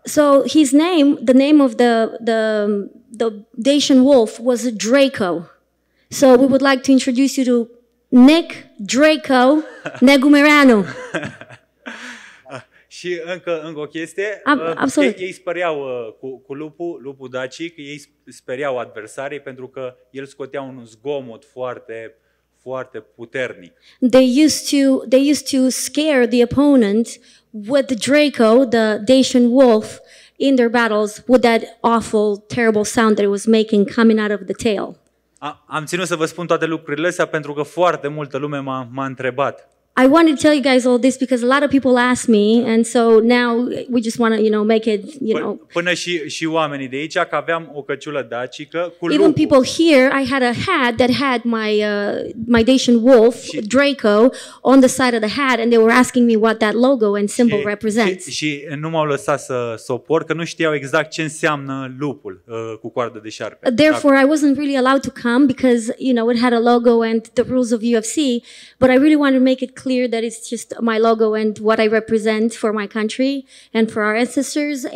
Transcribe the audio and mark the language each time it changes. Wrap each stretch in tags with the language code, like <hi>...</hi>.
<en>So his name, the name of the Dacian wolf was Draco. So we would like to introduce you to Nick Draco Negumereanu.</en> <ro>Și încă o chestie, ei speriau cu lupul dacic, ei speriau adversarii pentru că el scotea un zgomot foarte foarte puternic.</ro> <en>They used to scare the opponent with Draco, the Dacian wolf, in their battles with that awful, terrible sound that it was making coming out of the tail.</en> <ro>Am ținut să vă spun toate lucrurile astea pentru că foarte multă lume m-a întrebat.</ro> <en>I wanted to tell you guys all this because a lot of people ask me and so now we just want to, you know, make it, you know.</en> <ro>Până și oamenii de aici că aveam o căciulă dacică cu lupul.</ro> <en>Even people here, I had a hat that had my Dacian wolf, Draco, on the side of the hat and they were asking me what that logo and symbol represents.</en> <ro>Și nu m-au lăsat să suport că nu știau exact ce înseamnă lupul cu coardă de șarpe.</ro> <en>Therefore, I wasn't really allowed to come because, you know, it had a logo and the rules of UFC, but I really wanted to make it clear that it's just my logo and what I represent for my country and for our ancestors.</en>